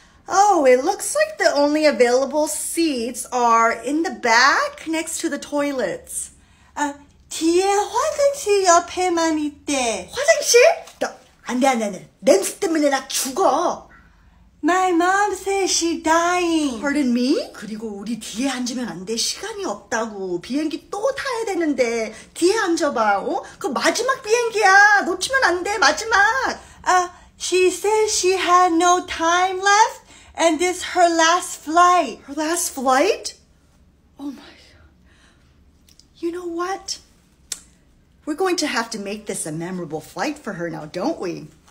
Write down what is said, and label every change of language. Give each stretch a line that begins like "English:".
English: Oh, it looks like the only available seats are in the back next to the toilets.
Korean: 뒤에 화장실 옆에만 있대. 화장실? 안 돼. 냄새 때문에 나 죽어.
English: My mom says she's dying. Pardon me?
Korean: 그리고 우리 뒤에 앉으면 안 돼. 시간이 없다고. 비행기 또 타야 되는데 뒤에 앉아봐. 어? 그 마지막 비행기야. 놓치면 안 돼. 마지막.
English: She says she had no time left and this is her last flight. Her last flight? Oh my God. You know what? We're going to have to make this a memorable flight for her now, don't we?